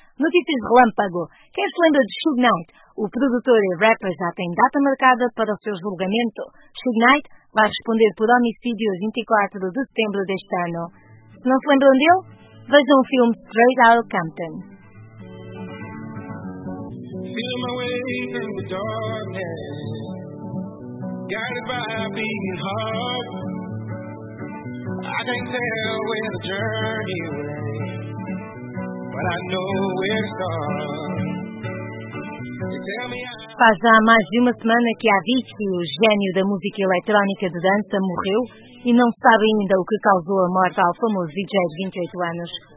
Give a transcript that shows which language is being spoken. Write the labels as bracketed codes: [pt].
[pt] Notícias de relâmpago. Quem se lembra de Suge Knight? O produtor e rapper já tem data marcada para o seu julgamento. Suge Knight vai responder por homicídio 24 de setembro deste ano. Se não se lembram dele, vejam o filme Straight Outta Compton. [en] Feel my way through the darkness, guided by a beating heart. I can't tell where the journey will end, but I know where it starts. Tell me. [pt] Faz já mais de uma semana que Avicii, o gênio da música eletrónica de dança, morreu e não se sabe ainda o que causou a morte ao famoso DJ de 28 anos.